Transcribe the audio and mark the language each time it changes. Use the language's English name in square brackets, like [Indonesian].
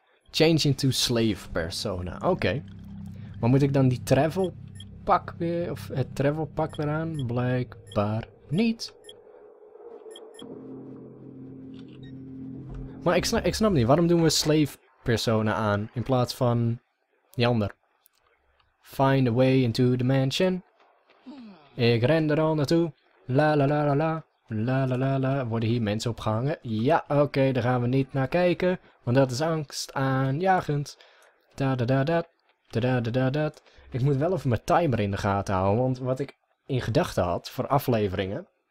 [English] Change into slave persona. [Dutch] Oké. Maar moet ik dan die travel pak weer, of het travel pak weer aan? Blijkbaar niet. Maar ik snap niet. Waarom doen we slave persona aan in plaats van die ander? [English] Find a way into the mansion. [Dutch] Ik ren er al naartoe. La la la la la. La la la la. Worden hier mensen opgehangen? Ja, oké, daar gaan we niet naar kijken. Want dat is angstaanjagend. Da da da da. Da da da da da. Ik moet wel even mijn timer in de gaten houden. Want wat ik in gedachten had voor afleveringen.